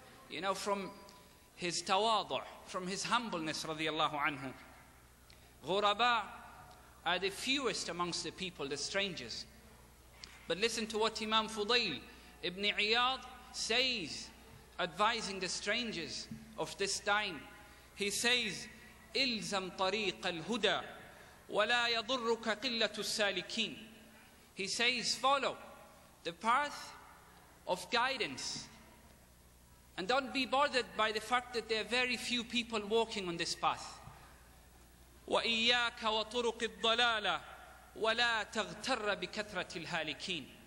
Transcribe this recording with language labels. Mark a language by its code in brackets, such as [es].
[en] You know, from his tawadu', from his humbleness, radiallahu anhu. Ghuraba are the fewest amongst the people, the strangers. But listen to what Imam Fudayl ibn Iyad says, advising the strangers of this time. He says, [ar] إِلْزَمْ طَرِيقَ الْهُدَى وَلَا يَضُرُّكَ قِلَّةُ السَّالِكِينَ. [en] He says, follow the path of guidance. And don't be bothered by the fact that there are very few people walking on this path. [ar] وَإِيَّاكَ وَطُرُقِ الضَّلَالَةِ وَلَا تَغْتَرَّ بِكَثْرَةِ الْهَالِكِينَ.